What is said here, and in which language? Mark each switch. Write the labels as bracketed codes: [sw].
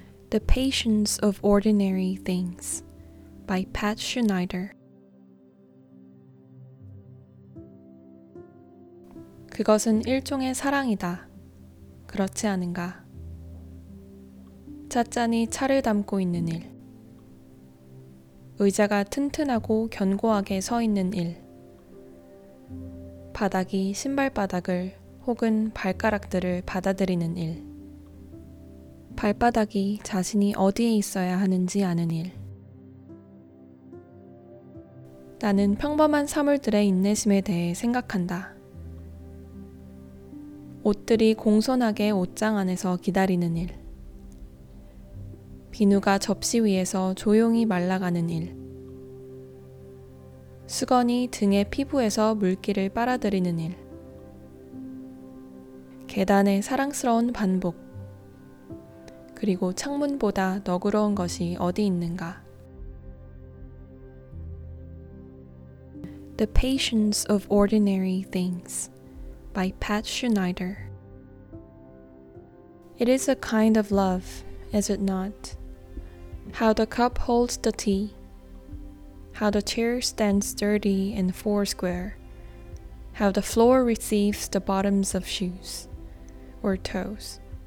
[en] The Patience of Ordinary Things by Pat Schneider. [ko] 그것은 일종의 사랑이다. 그렇지 않은가? 잣잔이 차를 담고 있는 일. 의자가 튼튼하고 견고하게 서 있는 일. 바닥이 신발바닥을 혹은 발가락들을 받아들이는 일. 발바닥이 자신이 어디에 있어야 하는지 아는 일. 나는 평범한 사물들의 인내심에 대해 생각한다. 옷들이 공손하게 옷장 안에서 기다리는 일. 비누가 접시 위에서 조용히 말라가는 일. 수건이 등의 피부에서 물기를 빨아들이는 일. 계단의 사랑스러운 반복. 그리고 창문보다 너그러운 것이 어디 있는가? [en] The Patience of Ordinary Things by Pat Schneider. It is a kind of love, is it not? How the cup holds the tea. How the chair stands sturdy and foursquare. How the floor receives the bottoms of shoes. Or toes.